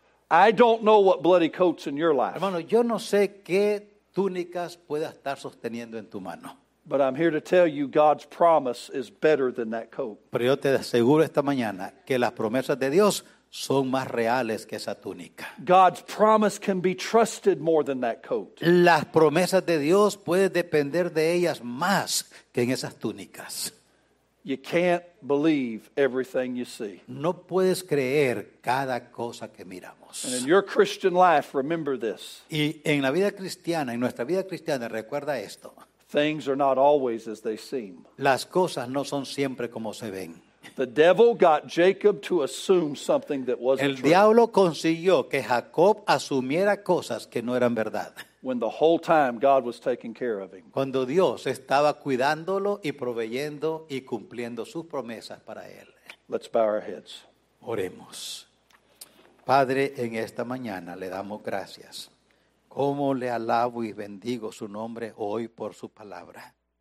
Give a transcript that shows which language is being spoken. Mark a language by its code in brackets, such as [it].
[en] I don't know what bloody coats in your life. [es] Hermano, yo no sé qué túnicas pueda estar sosteniendo en tu mano. [en] But I'm here to tell you God's promise is better than that coat. [es] Pero yo te aseguro esta mañana que las promesas de Dios son más reales que esa túnica. [en] God's promise can be trusted more than that coat. [es] Las promesas de Dios puedes depender de ellas más que en esas túnicas. [en] You can't believe everything you see. [es] No puedes creer cada cosa que miramos. [en] And in your Christian life, remember this. [es] Y en la vida cristiana, en nuestra vida cristiana, recuerda esto. [en] Things are not always as they seem. [es] Las cosas no son siempre como se ven. [en] The devil got Jacob to assume something that wasn't [es] true. El diablo consiguió que Jacob asumiera cosas que no eran verdad. [en] When the whole time God was taking care of him. [es] Cuando Dios estaba cuidándolo y proveyendo y cumpliendo sus promesas para él. [en] Let's bow our heads. [es] Oremos. Padre, en esta mañana le damos gracias. Cómo le alabo y bendigo su nombre hoy por su palabra.